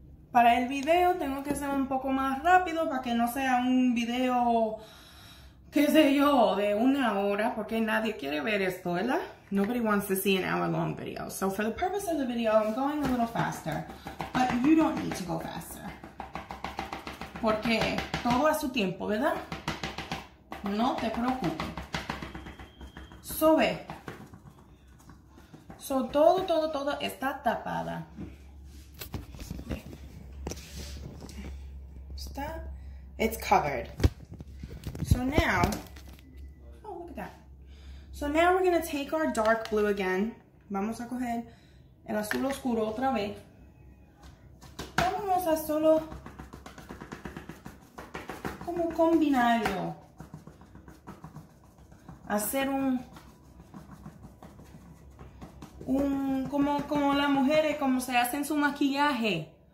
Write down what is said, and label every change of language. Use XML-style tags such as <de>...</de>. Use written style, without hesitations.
<es>Para el video, tengo que ser un poco más rápido para que no sea un video, qué sé yo, de una hora, porque nadie quiere ver esto, ¿verdad?</es> <en>Nobody wants to see an hour long video. So, for the purpose of the video, I'm going a little faster. But you don't need to go faster.</en> <es>Porque todo a su tiempo, ¿verdad? No te preocupes. So, ve. So, todo está tapada. Ve. Está.</es> <en>It's covered. So now, oh, look at that. So now we're going to take our dark blue again.</en> <es>Vamos a coger el azul oscuro otra vez. Vamos a solo como combinarlo. Hacer un como las mujeres, como se hacen su maquillaje.</es>